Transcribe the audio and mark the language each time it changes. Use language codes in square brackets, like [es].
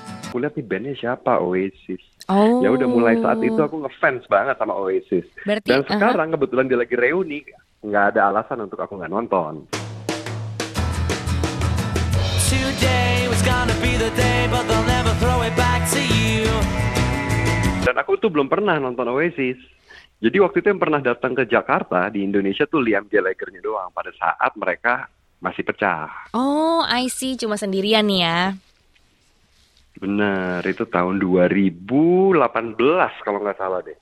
[id] Aku lihat nih bandnya siapa, Oasis. Ya udah, mulai saat itu aku ngefans banget sama Oasis. Berarti, dan sekarang kebetulan dia lagi reuni, nggak ada alasan untuk aku nggak nonton. [en] Today was gonna be the day, but they'll never throw it back to you. [id] Dan aku tuh belum pernah nonton Oasis. Jadi waktu itu yang pernah datang ke Jakarta di Indonesia tuh Liam Gallagher-nya doang pada saat mereka masih pecah. [en] Oh, I see, [id] cuma sendirian ya. Benar, itu tahun 2018 kalau nggak salah deh.